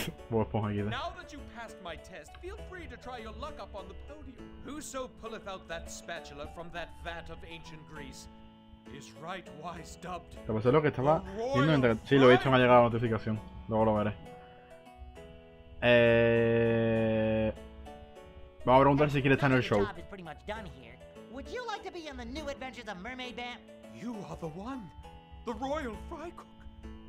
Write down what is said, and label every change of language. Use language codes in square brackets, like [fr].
[en] Now that you passed my test, feel free to try your luck up on the podium. Whoso pulleth out that spatula from that vat of ancient Greece is right wise dubbed. [es] Lo que pasa es que estaba viendo entre... Sí, lo he visto, me ha llegado la notificación. Luego lo veré. Vamos a preguntar si quiere estar en el show. [en] Job is pretty much done here. Would you like to be in the new adventures of Mermaid Band? You are the one, the royal fry cook.